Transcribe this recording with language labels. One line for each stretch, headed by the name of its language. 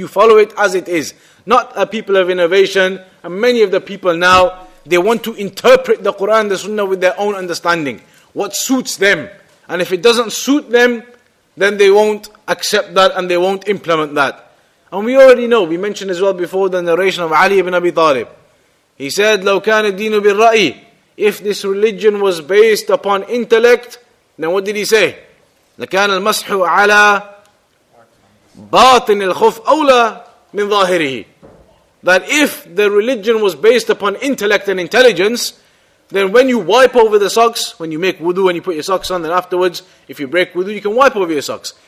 English: You follow it as it is. Not a people of innovation, and many of the people now, they want to interpret the Quran and the Sunnah with their own understanding. What suits them. And if it doesn't suit them, then they won't accept that and they won't implement that. And we already know, we mentioned as well before the narration of Ali ibn Abi Talib. He said,
Arabic: لو كان الدين بالرأي.
English: If this religion was based upon intellect, then what did he say?
Arabic: لَكَانَ الْمَسْحُ عَلَىٰ بَاطِنِ الْخُفْءِ أَوْلَىٰ مِنْ ظَاهِرِهِ.
English: That if the religion was based upon intellect and intelligence, then when you wipe over the socks, when you make wudu and you put your socks on, then afterwards, if you break wudu, you can wipe over your socks.